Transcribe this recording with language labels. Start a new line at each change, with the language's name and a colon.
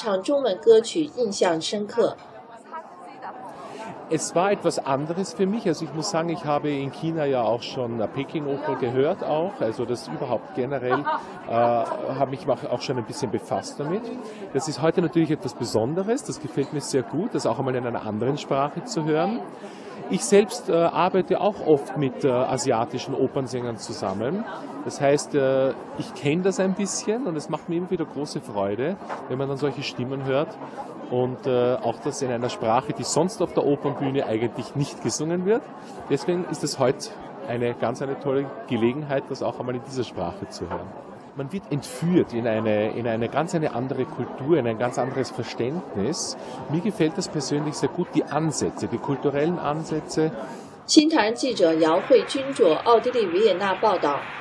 Chinese: 作为歌唱家，温特尔莱纳先生尤其对神韵晚会中用歌剧唱法演唱中文歌曲印象深刻。
German: Es war etwas anderes für mich. Also ich muss sagen, ich habe in China ja auch schon Peking-Oper gehört auch. Also das überhaupt generell habe ich mich auch schon ein bisschen befasst damit. Das ist heute natürlich etwas Besonderes. Das gefällt mir sehr gut, das auch einmal in einer anderen Sprache zu hören. Ich selbst arbeite auch oft mit asiatischen Opernsängern zusammen. Das heißt, ich kenne das ein bisschen und es macht mir immer wieder große Freude, wenn man dann solche Stimmen hört. Und auch das in einer Sprache, die sonst auf der Opernbühne eigentlich nicht gesungen wird. Deswegen ist es heute eine ganz eine tolle Gelegenheit, das auch einmal in dieser Sprache zu hören. Man wird entführt in eine ganz eine andere Kultur, in ein ganz anderes Verständnis. Mir gefällt das persönlich sehr gut, die Ansätze, die kulturellen Ansätze.
Chinese: 新唐记者姚慧君卓，奥地利维也纳报道。